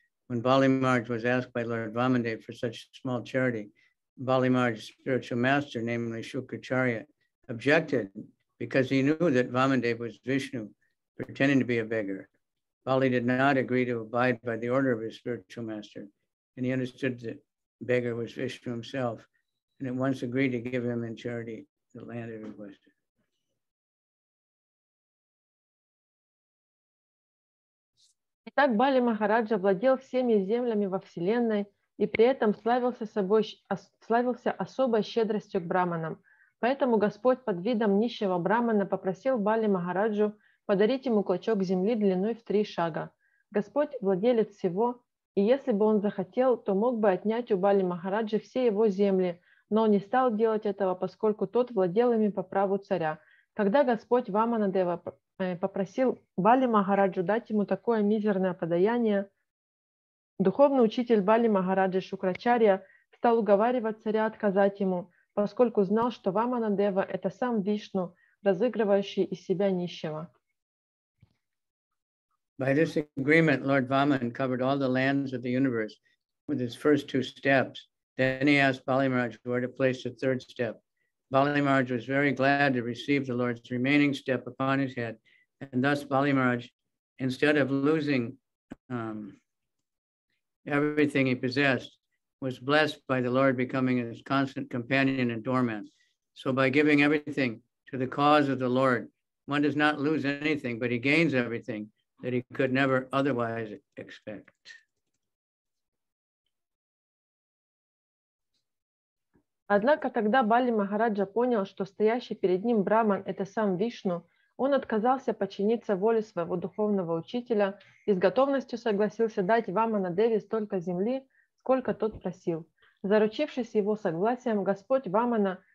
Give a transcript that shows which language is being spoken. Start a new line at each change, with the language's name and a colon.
English: When Bali Maharaj was asked by Lord Vamandev for such small charity, Bali Maharaj's spiritual master, namely Shukracharya, objected because he knew that Vamandev was Vishnu, pretending to be a beggar. Bali did not agree to abide by the order of his spiritual master, and he understood that beggar was Vishnu himself, and at once agreed to give him in charity the land he requested.
Russian: Итак, Бали Махараджа владел всеми землями во Вселенной и при этом славился особой щедростью к браманам. Поэтому Господь под видом нищего брамана попросил Бали Махараджу подарить ему клочок земли длиной в 3 шага. Господь владелец всего, и если бы он захотел, то мог бы отнять у Бали Махараджи все его земли, но он не стал делать этого, поскольку тот владел ими по праву царя. Тогда Господь Ваманадева попросил Бали Махараджу дать ему такое мизерное подаяние. Духовный учитель Бали Махараджи Шукрачарья стал уговаривать царя отказать ему, поскольку знал, что Ваманадева – это сам Вишну, разыгрывающий из себя нищего.
English: By this agreement, Lord Vaman covered all the lands of the universe with his first 2 steps. Then he asked Bali Maharaj where to place the 3rd step. Bali Maharaj was very glad to receive the Lord's remaining step upon his head. And thus Bali Maharaj, instead of losing everything he possessed, was blessed by the Lord becoming his constant companion and doorman. So by giving everything to the cause of the Lord, one does not lose anything, but he gains everything that he could never otherwise expect.
Russian: Однако, когда Бали Махараджа понял, что стоящий перед ним Браман – это сам Вишну, он отказался подчиниться воле своего духовного учителя и с готовностью согласился дать Ваманадеве столько земли, сколько тот просил. Заручившись его согласием, Господь Вамана